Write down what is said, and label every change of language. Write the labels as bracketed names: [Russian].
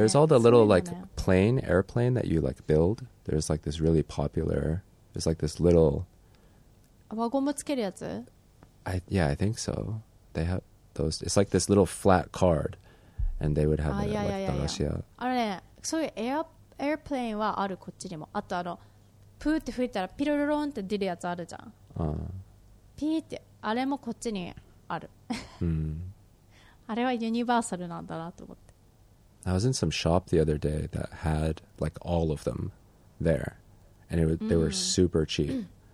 [English] there's all the little like plane, airplane that you like build, there's like this really popular, there's like this little [Japanese] 輪ゴムつけるやつ? [English] Yeah, I think so. They have those. It's like this little flat card, and they would have it like 駄菓子屋。 [Japanese] あれね、そういうエアプレインはあるこっちにも。あとあのプーって吹いたらピロロロンって出るやつあるじゃん。ピーってあれもこっちにある。あれはユニバーサルなんだなと思って。 [English] I was in some shop the other day that had like all of them there, and they were super cheap.